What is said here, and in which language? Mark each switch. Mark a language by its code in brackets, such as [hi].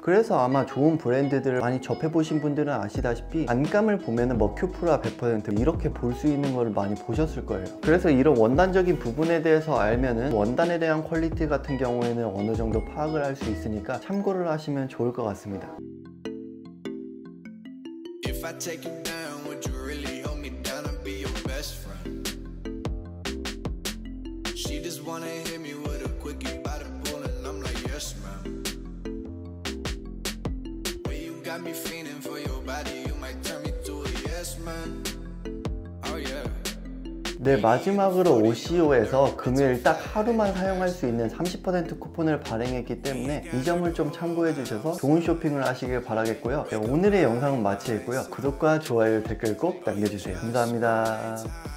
[ko] 그래서 아마 좋은 브랜드들을 많이 접해보신 분들은 아시다시피 안감을 보면은 뭐 큐프라 100% 이렇게 볼 수 있는 걸 많이 보셨을 거예요. 그래서 이런 원단적인 부분에 대해서 알면은 원단에 대한 퀄리티 같은 경우에는 어느 정도 파악을 할 수 있으니까 참고를 하시면 좋을 것 같습니다. [en] If I take you down, would you really hold me down and be your best friend? She just wanna hit me with a quickie by the pool, and I'm like, yes, ma'am. When you got me feeling for your body, you might turn me to a yes, man. Oh, yeah. [ko] 네, 마지막으로 OCO에서 금요일 딱 하루만 사용할 수 있는 30% 쿠폰을 발행했기 때문에 이 점을 좀 참고해 주셔서 좋은 쇼핑을 하시길 바라겠고요. 네, 오늘의 영상은 마치겠고요. 구독과 좋아요, 댓글 꼭 남겨주세요. 감사합니다.